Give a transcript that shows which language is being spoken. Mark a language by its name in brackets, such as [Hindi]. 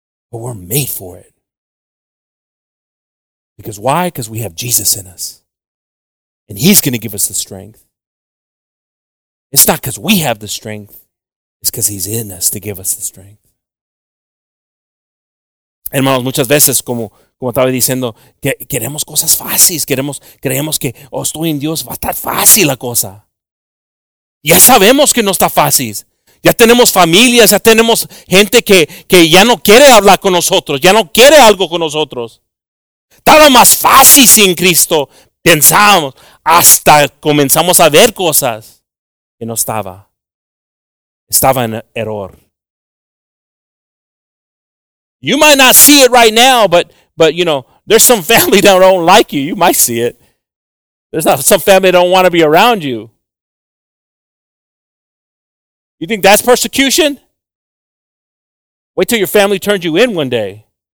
[English] But we're made for it. Because why? Because we have Jesus in us. And he's going to give us the strength. It's not because we have the strength. It's because he's in us to give us the strength. [Spanish] Hermanos, muchas veces, como estaba diciendo, queremos cosas fáciles, creemos que, oh, estoy en Dios, va a estar fácil la cosa. Ya sabemos que no está fácil. Ya tenemos familias, ya tenemos gente que ya no quiere hablar con nosotros, ya no quiere algo con nosotros. Estaba más fácil sin Cristo, pensamos, hasta comenzamos a ver cosas que no estaba. Estaba en error. [English] You might not see it right now, but you know, there's some family that don't like you. You might see it. There's not some family that don't want to be around you. You think that's persecution? Wait till your family turns you in one day.